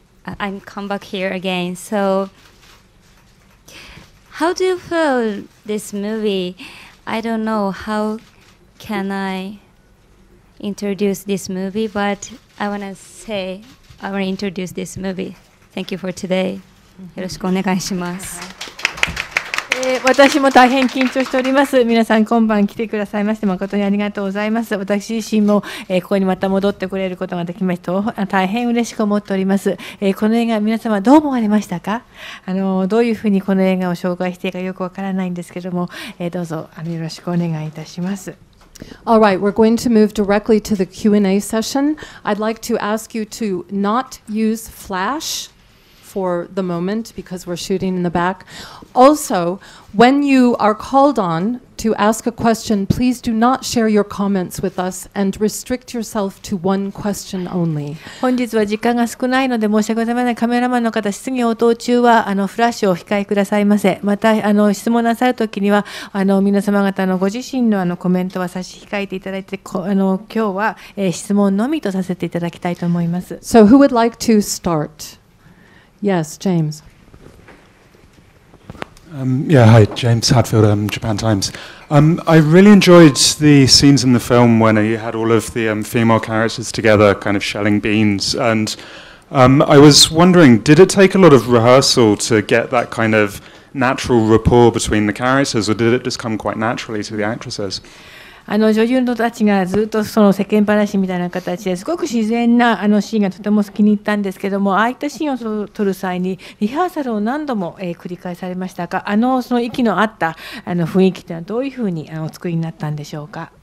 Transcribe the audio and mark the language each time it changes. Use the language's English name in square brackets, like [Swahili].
[English] I'm come back here again. So, how do you feel this movie? I don't know how can I introduce this movie, but I want to say I want to introduce this movie. Thank you for today. [Japanese] よろしくお願いします。私も大変緊張しております。皆さん今晩来てくださいまして誠にありがとうございます。私自身も、ここにまた戻ってこれることができまして大変嬉しく思っております。この映画皆様どう思われましたか？どういうふうにこの映画を紹介していいかよくわからないんですけども、どうぞよろしくお願いいたします。 [English] All right, we're going to move directly to the Q&A session. I'd like to ask you to not use flash for the moment because we're shooting in the back. Also, when you are called on to ask a question, please do not share your comments with us and restrict yourself to one question only. [Japanese] 本日は時間が少ないので申し訳ございません。カメラマンの方、質疑応答中はフラッシュを控えくださいませ。また質問なさるときには皆様方のご自身のコメントは差し控えていただいて、今日は質問のみとさせていただきたいと思います。 [English] So who would like to start? Yes, James. Hi, James Hadfield, Japan Times. I really enjoyed the scenes in the film when you had all of the female characters together kind of shelling beans. And I was wondering, did it take a lot of rehearsal to get that kind of natural rapport between the characters, or did it just come quite naturally to the actresses? [Japanese] 女優のたちがずっとその世間話みたいな形ですごく自然なシーンがとても気に入ったんですけども、ああいったシーンを撮る際にリハーサルを何度も繰り返されましたか？その息の合った雰囲気というのはどういうふうにお作りになったんでしょうか？